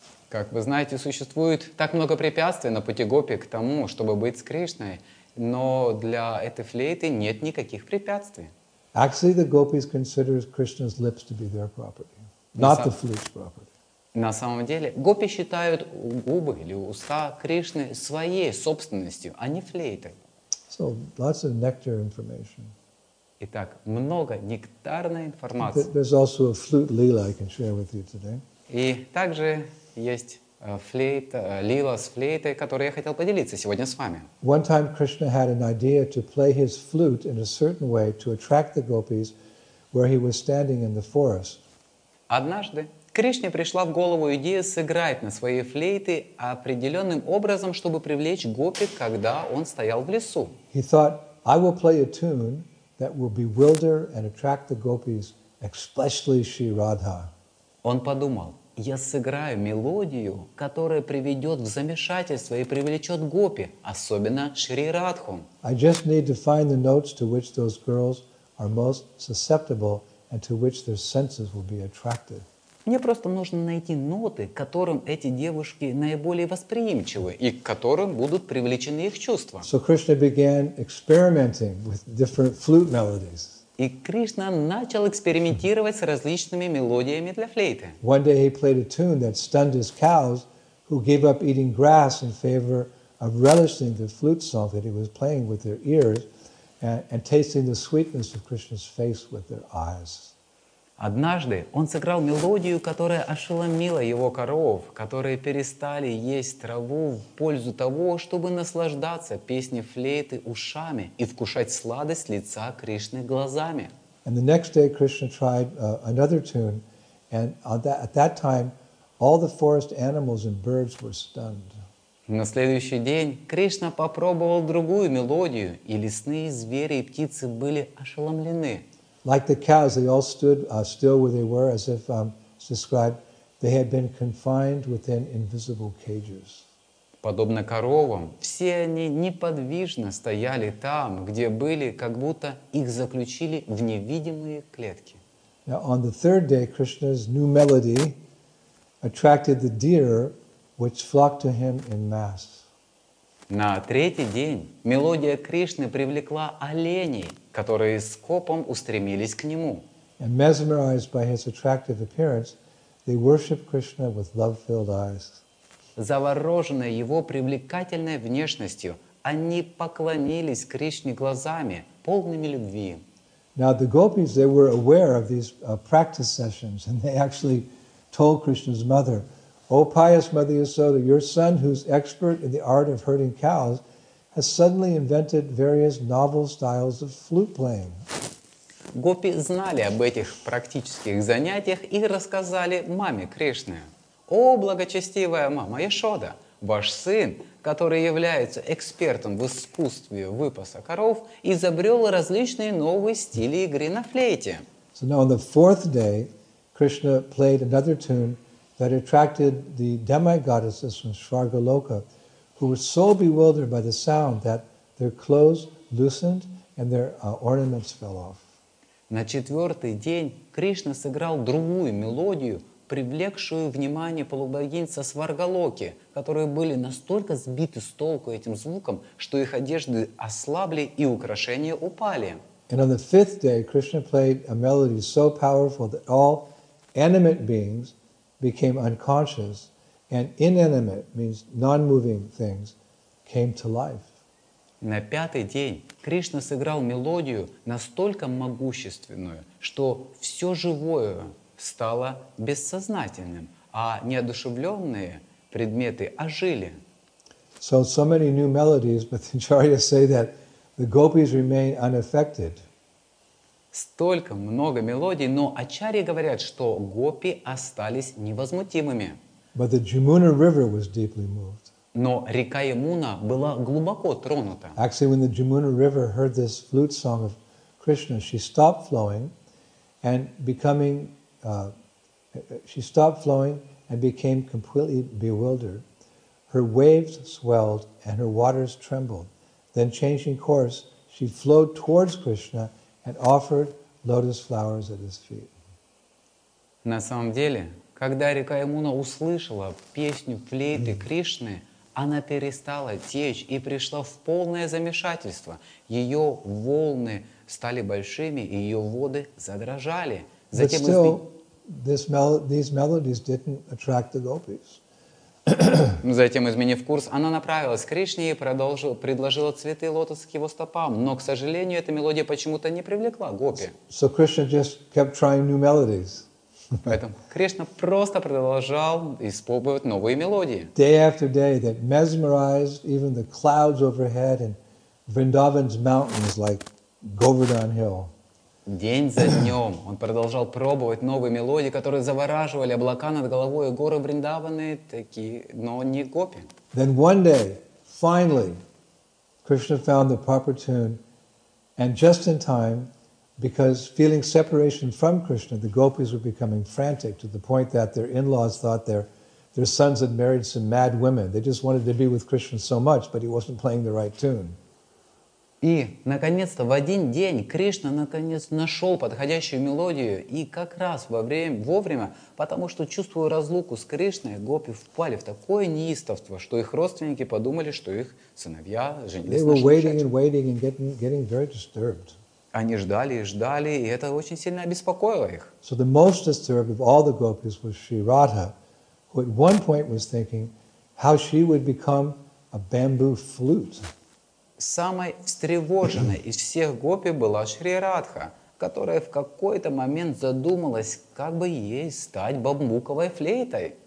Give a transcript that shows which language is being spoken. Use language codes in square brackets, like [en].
[ru] Как вы знаете, существует так много препятствий на пути гопи к тому, чтобы быть с Кришной, но для этой флейты нет никаких препятствий. [en] Actually, the gopis consider Krishna's lips to be their property, not the flute's property. [ru] На самом деле, гопи считают губы или уста Кришны своей собственностью, а не флейтой. [en] So, lots of nectar information. [ru] Итак, много нектарной информации. [en] There's also a flute lila I can share with you today. [ru] И также есть лила с флейтой, которую я хотел поделиться сегодня с вами. [en] One time Krishna had an idea to play his flute in a certain way to attract the gopis where he was standing in the forest. [ru] Однажды Кришне пришла в голову идея сыграть на своей флейте определенным образом, чтобы привлечь гопи, когда он стоял в лесу. [en] He thought, I will play a tune that will bewilder and attract the gopis, especially Shri Radha. [ru] Он подумал, я сыграю мелодию, которая приведет в замешательство и привлечет гопи, особенно Шри Радху. [en] I just need to find the notes to which those girls are most susceptible and to which their senses will be attracted. [ru] Мне просто нужно найти ноты, к которым эти девушки наиболее восприимчивы и к которым будут привлечены их чувства. [en] So Krishna began experimenting with different flute melodies. [ru] И Кришна начал экспериментировать с различными мелодиями для флейты. [en] One day he played a tune that stunned his cows, who gave up eating grass in favor of relishing the flute song that he was playing with their ears and tasting the sweetness of Krishna's face with their eyes. [ru] Однажды он сыграл мелодию, которая ошеломила его коров, которые перестали есть траву в пользу того, чтобы наслаждаться песней флейты ушами и вкушать сладость лица Кришны глазами. [en] And the next day Krishna tried another tune, and at that time all the forest animals and birds were stunned. [ru] На следующий день Кришна попробовал другую мелодию, и лесные звери и птицы были ошеломлены. [en] Like the cows, they all stood still where they were, as if described, they had been confined within invisible cages. [ru] Подобно коровам, все они неподвижно стояли там, где были, как будто их заключили в невидимые клетки. [en] Now, on the third day, Krishna's new melody attracted the deer, which flocked to him in mass. [ru] На третий день мелодия Кришны привлекла оленей, которые скопом устремились к нему. [en] And mesmerized by his attractive appearance, they worshiped Krishna with love-filled eyes. [ru] Завороженные его привлекательной внешностью, они поклонились Кришне глазами, полными любви. [en] Now the gopis, they were aware of these practice sessions, and they actually told Krishna's mother, O pious Mother Yasoda, your son, who's expert in the art of herding cows, has suddenly invented various novel styles of flute playing. [ru] Гопи знали об этих практических занятиях и рассказали маме Кришне. О, благочестивая мама Яшода, ваш сын, который является экспертом в искусстве выпаса коров, изобрел различные новые стили игры на флейте. [en] So now on the fourth day, Krishna played another tune that attracted the demigoddesses from Svargaloka, who were so bewildered by the sound that their clothes loosened and their ornaments fell off. [ru] На четвертый день Кришна сыграл другую мелодию, привлекшую внимание полубогинь со Сваргалоки, которые были настолько сбиты с толку этим звуком, что их одежды ослабли и украшения упали. [en] And on the fifth day, Krishna played a melody so powerful that all animate beings became unconscious, and inanimate means non-moving things came to life. [ru] На пятый день Кришна сыграл мелодию настолько могущественную, что все живое стало бессознательным, а неодушевленные предметы ожили. [en] So many new melodies, but the acharyas say that the gopis remain unaffected. [ru] Столько много мелодий, но ачарьи говорят, что гопи остались невозмутимыми. [en] But the Jamuna River was deeply moved. [ru] Но река Ямуна была глубоко тронута. [en] Actually, when the Jamuna River heard this flute song of Krishna, she stopped flowing and became completely bewildered. Her waves swelled and her waters trembled. Then, changing course, she flowed towards Krishna and offered lotus flowers at his feet. [ru] На самом деле, когда река Ямуна услышала песню флейты Кришны, она перестала течь и пришла в полное замешательство. Ее волны стали большими, и ее воды задрожали. Затем [en] But still, these melodies didn't attract the gopis. [ru] Затем, изменив курс, она направилась к Кришне и предложила цветы лотоса к его стопам. Но, к сожалению, эта мелодия почему-то не привлекла гопи. [en] So Krishna just kept trying new melodies. [ru] Поэтому Кришна просто продолжал испробовать новые мелодии. [en] Day after day, that mesmerized even the clouds overhead and Vrindavan's mountains like Govardhan Hill. [ru] День за днем он продолжал пробовать новые мелодии, которые завораживали облака над головой и горы Вриндаваны, такие, но не гопи. [en] Then one day, finally, Krishna found the proper tune, and just in time, because feeling separation from Krishna, the gopis were becoming frantic to the point that their in-laws thought their sons had married some mad women. They just wanted to be with Krishna so much, but he wasn't playing the right tune. [ru] И, наконец-то, в один день Кришна, наконец, нашел подходящую мелодию, и как раз вовремя, потому что, чувствуя разлуку с Кришной, гопи впали в такое неистовство, что их родственники подумали, что их сыновья женились на Шанчачи. [en] They were waiting and waiting and getting very disturbed. [ru] Они ждали и ждали, и это очень сильно обеспокоило их. [en] So the most disturbed of all the gopis was Sri Radha, who at one point was thinking how she would become a bamboo flute. [ru] Самой встревоженной из всех гопи была Шри Радха, которая в какой-то момент задумалась, как бы ей стать бамбуковой флейтой.